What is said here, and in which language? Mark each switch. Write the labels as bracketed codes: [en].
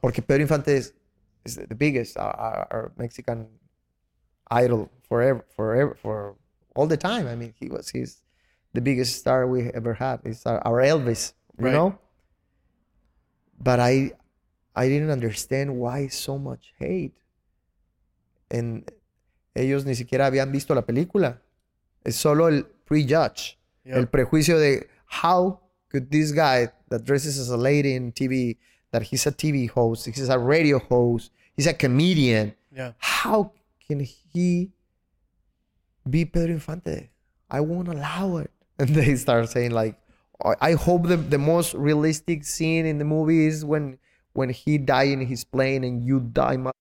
[es] Porque [en] Pedro Infante is the biggest our Mexican idol forever, all the time. I mean, he's the biggest star we ever had. He's our Elvis, you right. know? But I didn't understand why so much hate. And [es] ellos ni siquiera habían visto la película. Es solo el prejudge. [en] Yep. [es] El prejuicio de [en] how could this guy that dresses as a lady in TV, that he's a TV host, he's a radio host, he's a comedian. Yeah. How can he be Pedro Infante? I won't allow it. And they start saying like, I hope the most realistic scene in the movie is when he died in his plane and you die.